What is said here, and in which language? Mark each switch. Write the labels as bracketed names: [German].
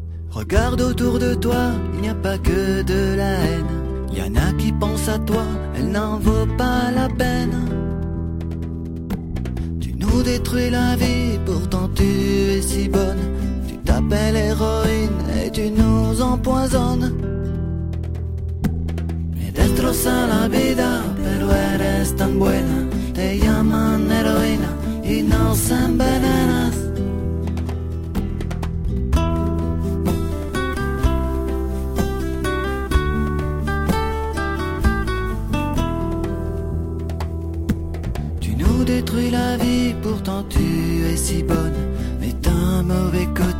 [French] Regarde autour de toi, il n'y a pas que de la haine. Il y en a qui pensent à toi, elle n'en vaut pas la peine. Tu nous détruis la vie, pourtant tu es si bonne. Tu t'appelles héroïne et tu nous empoisonnes. [Spanish] Destroza la vida, pero eres tan buena. Te llaman heroína y nos envenenas. [French] Tu nous détruis la vie, pourtant tu es si bonne. Mais t'as un mauvais